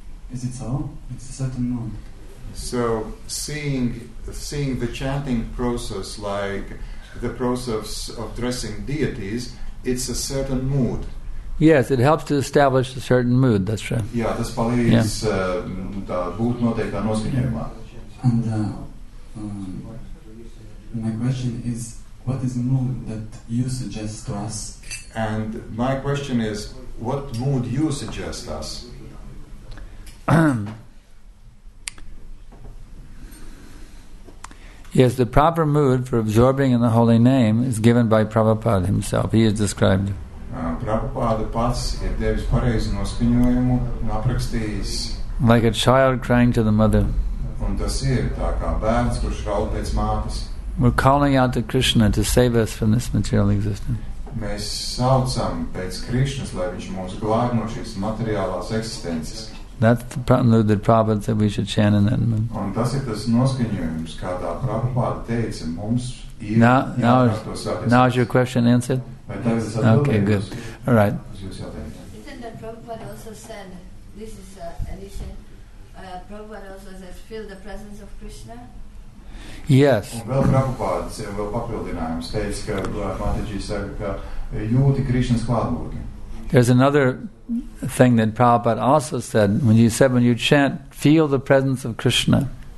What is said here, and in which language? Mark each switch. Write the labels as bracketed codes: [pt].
[en] Is it so? It's a certain mood. So seeing the chanting process like the process of addressing deities, it's a certain mood. Yes, it helps to establish a certain mood, that's right. [lv] Yeah, tas palīdz būt noteiktā noskaņojumā. [en] And my question is, what is the mood that you suggest to us? And my question is, what mood you suggest us? Yes, the proper mood for absorbing in the holy name is given by Prabhupada himself. He is described. [lv] Prabhupada pats ir devis pareizi noskaņojumu un aprakstījis. [en] Like a child crying to the mother. [lv] Un tas ir tā kā bērns, kurš raud pēc mātes. [en] We're calling out to Krishna to save us from this material existence. [lv] Mēs saucam pēc Krišnas, lai viņš mūs glābj no šīs materiālās eksistences. [en] That's the mood that Prabhupada said we should chant in that mood. [lv] Un tas ir tas noskaņojums, kādā Prabhupada teica, mums ir [en] Now is your question answered? Okay, good. All right. Isn't that Prabhupada also said, this is an addition, Prabhupada also said, feel the presence of Krishna? Yes. [lv] Un vēl Prabhupāda ir vēl papildinājums, teica, ka Mataji saka, ka jūti Krishnas klātbūtni. [en] There's another thing that Prabhupada also said when he said when you chant feel the presence of Krishna.